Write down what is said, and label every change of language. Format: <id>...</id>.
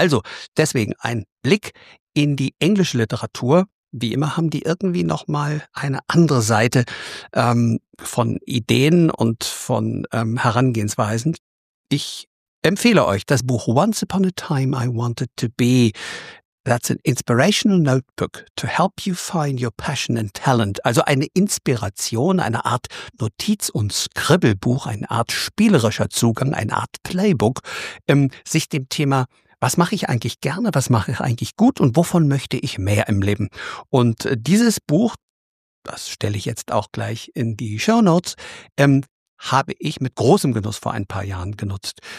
<de>Also deswegen ein Blick in die englische Literatur. Wie immer haben die irgendwie nochmal eine andere Seite von Ideen und von Herangehensweisen. Ich empfehle euch das Buch Once Upon a Time I Wanted to Be.</de> <en>That's an inspirational notebook to help you find your passion and talent.</en> <de>Also eine Inspiration, eine Art Notiz- und Skribbelbuch, eine Art spielerischer Zugang, eine Art Playbook, sich dem Thema, was mache ich eigentlich gerne, was mache ich eigentlich gut und wovon möchte ich mehr im Leben? Und dieses Buch, das stelle ich jetzt auch gleich in die Shownotes, habe ich mit großem Genuss vor ein paar Jahren genutzt.</de>